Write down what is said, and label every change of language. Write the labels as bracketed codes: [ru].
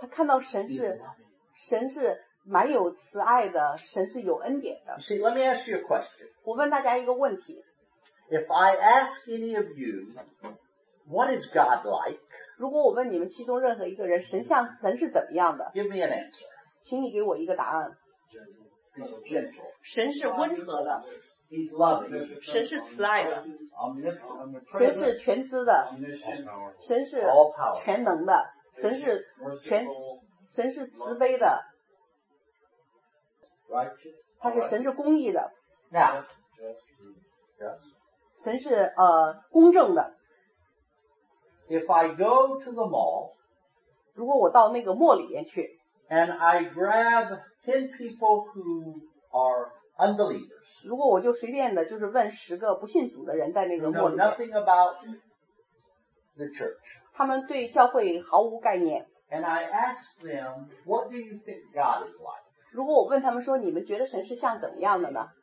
[zh] 他看到神是神是蛮有慈爱的，神是有恩典的。 [en] See, let me ask you a question. [zh] 我问大家一个问题。 [en] If I ask any of you, what is God like? [zh] 如果我问你们其中任何一个人，神是怎么样的？ [en] Give me an answer. [zh] 请你给我一个答案。 [en] Gentle. [zh] 神是温和的。 [en] He's loving. [zh] 神是慈爱的。 [en] Omnipotent. [zh] 神是全知的。 [en] Omniscient. [zh] 神是全能的。神是神是慈悲的。 [en] Righteous. [zh] 他是神是公义的。 [en] Now. Yes. [zh] 神是公正的。 [en] If I go to the mall. [zh] 如果我到那个mall里面去。 [en] And I grab 10 people who are unbelievers， [zh] 如果我就随便的就是问十个不信主的人在那个 [en] 末里 know nothing about the church， [zh] 他们对教会毫无概念。 [en] And I ask them what do you think God is like， [zh] 如果我问他们说你们觉得神是像怎么样的呢？